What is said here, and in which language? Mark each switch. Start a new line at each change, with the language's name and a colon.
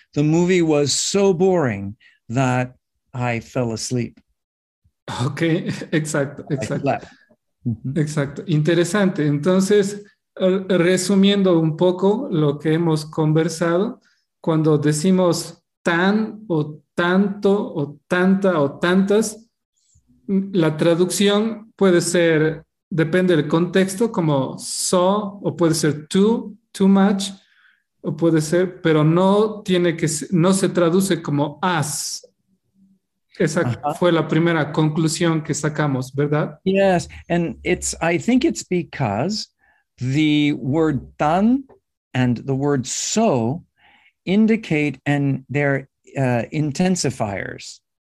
English: The movie was so boring that I fell asleep.
Spanish: Okay, exacto, exacto. Exacto. Interesante. Entonces, resumiendo un poco lo que hemos conversado, cuando decimos tan o tanto o tanta o tantas, la traducción puede ser, depende del contexto, como so, o puede ser too much, o puede ser, pero no tiene que, no se traduce como as. Esa fue la primera conclusión que sacamos, ¿verdad?
English: Yes, and it's, I think it's because the word tan and the word so indicate and they're intensifiers.